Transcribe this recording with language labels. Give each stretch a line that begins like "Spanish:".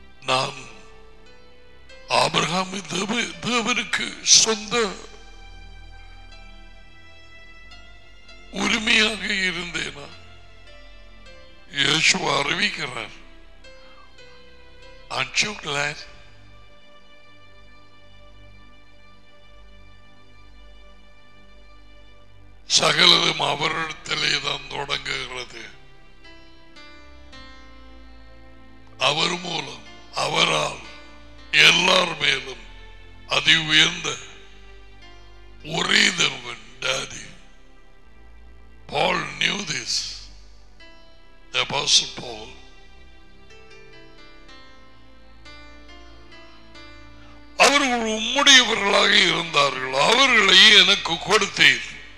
Tamil: நான் ஆபிரகாம் தேவனுக்கு சொந்த உரிமையாக இருந்தேனா? இயேசு அறிவிக்கிறார்,
English: Aren't you glad?
Tamil: சகலதும் அவரிடத்திலே தான் தொடங்குகிறது. அவர் மூலம், அவரால் எல்லார் மேலும் அதி உயர்ந்த ஒரே தேவன் daddy.
English: Paul knew this, the Apostle Paul.
Tamil: அவர்கள் உம்முடையவர்களாக இருந்தார்கள், அவர்களை எனக்கு கொடுத்தீர்.